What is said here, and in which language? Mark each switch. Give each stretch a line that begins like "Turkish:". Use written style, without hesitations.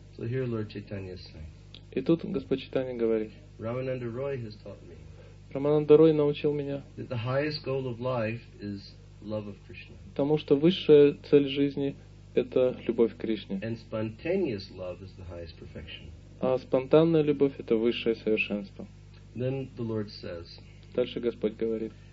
Russian: И тут Господь Чайтанья говорит,
English: Ramananda Roy has taught me.
Russian: Рамананда Рой научил меня.
English: That the highest goal of life is love of Krishna.
Russian: Потому что высшая цель жизни это любовь к Кришне.
English: And spontaneous love is the highest perfection.
Russian: А спонтанная любовь это высшее совершенство.
English: Then the Lord says.
Russian: Дальше Господь говорит.